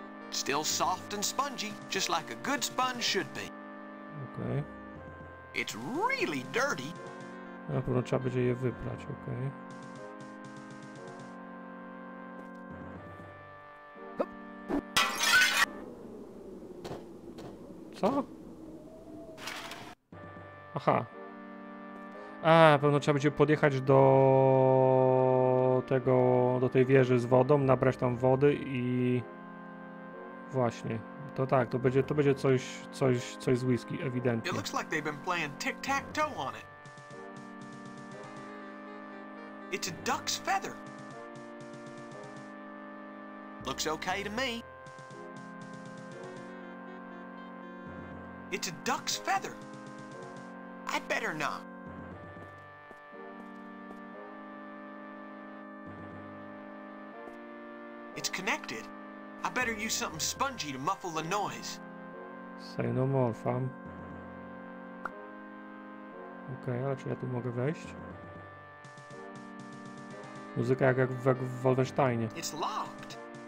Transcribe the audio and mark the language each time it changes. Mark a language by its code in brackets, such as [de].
[en] Still soft and spongy, just like a good sponge should be. [pl] Okej. [en] It's really dirty. [pl] Na pewno trzeba będzie je wyprać, okej. Co? Aha. A, pewno trzeba będzie podjechać do tego, do tej wieży z wodą, nabrać tam wody i właśnie. To tak, to będzie coś, coś z whisky, ewidentnie. [en] It looks like they've been playing tic-tac-toe on it. It's a duck's feather. Looks okay to me. It's a duck's feather. I'd better not. It's connected. I better use something spongy to muffle the noise. Say no more, fam. [pl] Okay, ale czy ja tu mogę wejść? Muzyka jak w Wolfensteinie. [en] It's locked.